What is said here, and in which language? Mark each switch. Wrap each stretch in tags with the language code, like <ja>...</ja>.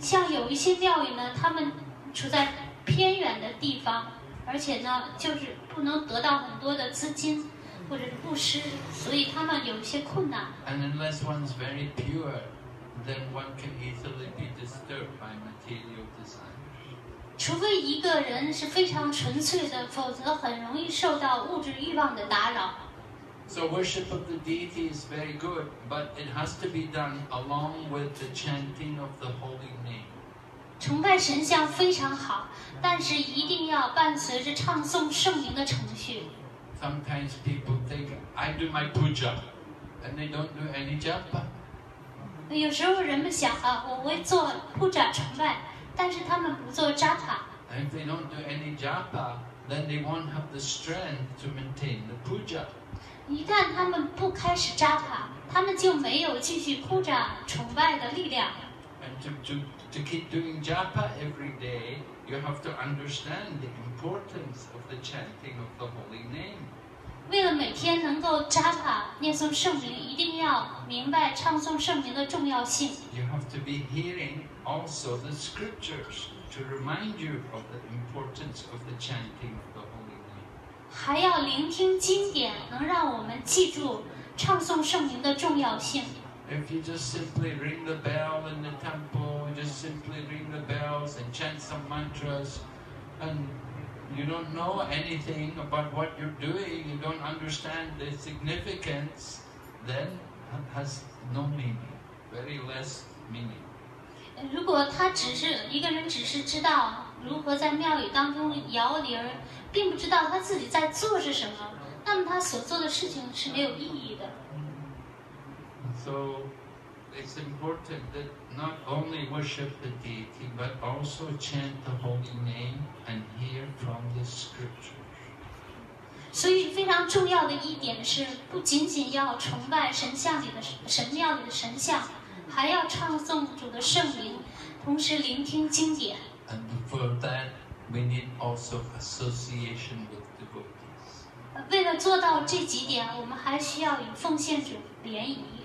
<zh>像有一些庙宇呢，他们处在偏远的地方，而且呢，就是不能得到很多的资金或者是布施，所以他们有一些困难。</zh> <en>And unless one's very pure, then one can easily be disturbed by material desire.</en> <zh>除非一个人是非常纯粹的，否则很容易受到物质欲望的打扰。</zh> <en>So worship of the deity is very good, but it has to be done along with the chanting of the holy name.</en> <zh>崇拜神像非常好，但是一定要伴随着唱诵圣名的程序。</zh> <en>Sometimes people think I do my puja, and they don't do any japa.</en> <zh>有时候人们想啊，我会做 puja 崇拜。但是他们不做 japa.</zh> <en>And if they don't do any japa, then they won't have the strength to maintain the puja.</en> <zh>一旦他们不开始 japa, 他们就没有继续 puja 崇拜的力量。</zh> <en>And to keep doing japa every day, you have to understand the importance of the chanting of the holy name.</en> <zh>为了每天能够 japa 念诵圣名，一定要明白唱诵圣名的重要性。</zh> <en>You have to be hearing. Also, the scriptures to remind you of the importance of the chanting of the holy name.</en> <zh>还要聆听经典，能让我们记住唱诵圣名的重要性。</zh> <en>If you just simply ring the bell in the temple, just simply ring the bells and chant some mantras, and you don't know anything about what you're doing, you don't understand the significance, then has no meaning, very less meaning.</en> <zh>如果他只是一个人，只是知道如何在庙宇当中摇铃，并不知道他自己在做着什么，那证他所做的事情是没有意义的。</zh> <en>So it's important that not only worship the deity, but also chant the holy name and hear from the scriptures.</en> <zh>所以非常重要的一点是，不仅仅要崇拜神像里的神庙里的神像，还要唱诵主的圣名，同时聆听经典。</zh> <en>And for that, we need also association with devotees.</en> <zh>为了做到这几点，我们还需要与奉献者联谊。</zh>